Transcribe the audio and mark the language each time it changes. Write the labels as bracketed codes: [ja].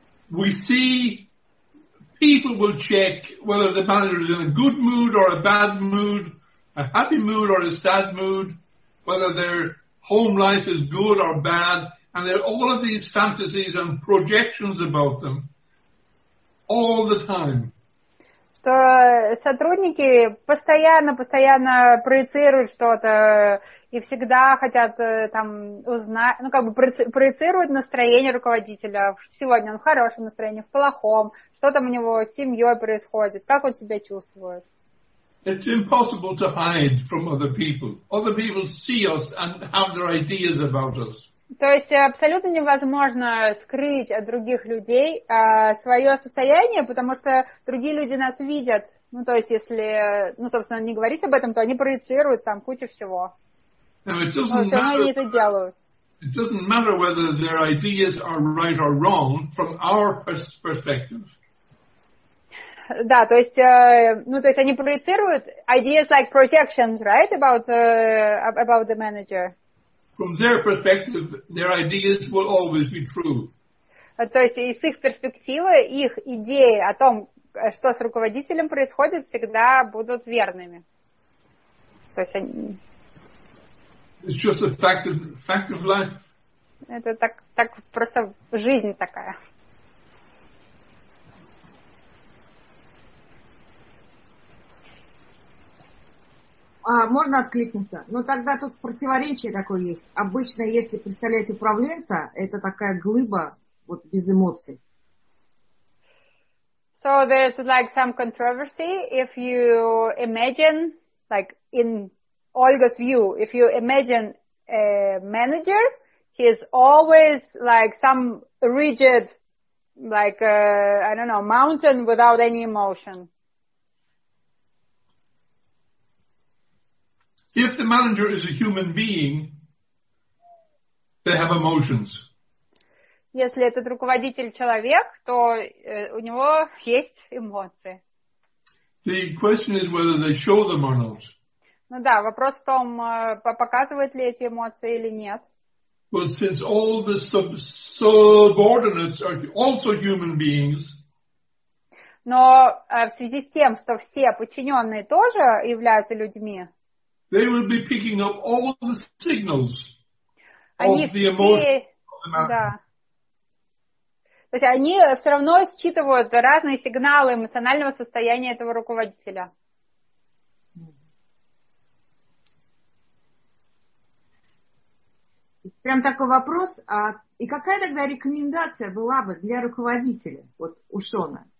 [en] We see people will check whether the manager is in a good mood or a bad mood, a happy mood or a sad mood, whether their home life is good or bad, and there are all of these fantasies and projections about them all the time. [ru] Что сотрудники постоянно проецируют что-то и всегда хотят там узнать, ну как бы проецируют настроение руководителя. Сегодня он в хорошем настроении, в плохом. Что там у него с семьей происходит? Как он себя чувствует? [en] It's impossible to hide from other people. Other people see us and have their ideas about us. [ru] То есть абсолютно невозможно скрыть от других людей свое состояние, потому что другие люди нас видят. Ну, то есть, если, ну, собственно, не говорить об этом, то они проецируют там кучу всего. Но все равно они это делают. [en] It doesn't matter whether their ideas are right or wrong from our perspective. [ru] Да, то есть, ну, то есть они проецируют [en] ideas like projections, right, about the manager. From their perspective, their ideas will always be true. [ru] То есть из их перспективы, их идеи о том, что с руководителем происходит, всегда будут верными. То есть они... [en] It's just a fact of life. [ru] Это так просто жизнь такая. А, можно откликнуться? Но тогда тут противоречие такое есть. Обычно, если представлять управленца, это такая глыба, вот без эмоций. [en] So there's like some controversy if you imagine, like in Olga's view, if you imagine a manager, he's always like some rigid, like I don't know, mountain without any emotion. If the manager is a human being, they have emotions. [ru] Если этот руководитель человек, то у него есть эмоции. [en] The question is whether they show them or not. [ru] Ну да, вопрос в том, показывают ли эти эмоции или нет. [en] But since all the subordinates are also human beings. [ru] Но в связи с тем, что все подчиненные тоже являются людьми. [en] They will be picking up all the signals of the emotions. Да. [ru] То есть они все равно считывают разные сигналы эмоционального состояния этого руководителя. Прям такой вопрос. А, и какая тогда рекомендация была бы для руководителя, вот у Шона?